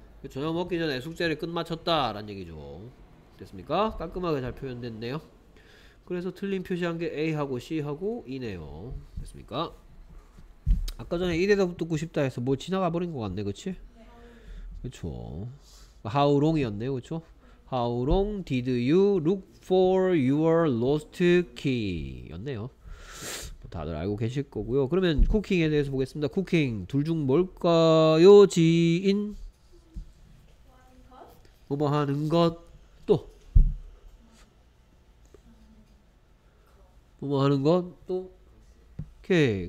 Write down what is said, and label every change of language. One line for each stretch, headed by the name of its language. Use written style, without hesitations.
Korean: 저녁 먹기 전에 숙제를 끝마쳤다 라는 얘기죠. 됐습니까? 깔끔하게 잘 표현됐네요. 그래서 틀린 표시한 게 A하고 C하고 E네요. 됐습니까? 아까 전에 이래서 듣고 싶다 해서 뭐 지나가 버린 것 같네. 그치? 그쵸.
English: How long
Korean: 이었네요. 그쵸?
English: How long did you look for your lost key?
Korean: 였네요. 다들 알고 계실 거고요. 그러면 쿠킹에 대해서 보겠습니다. 쿠킹 둘 중 뭘까요? 지인? 뭐뭐 하는 것? 또? 뭐뭐 하는 것? 또? 오케이.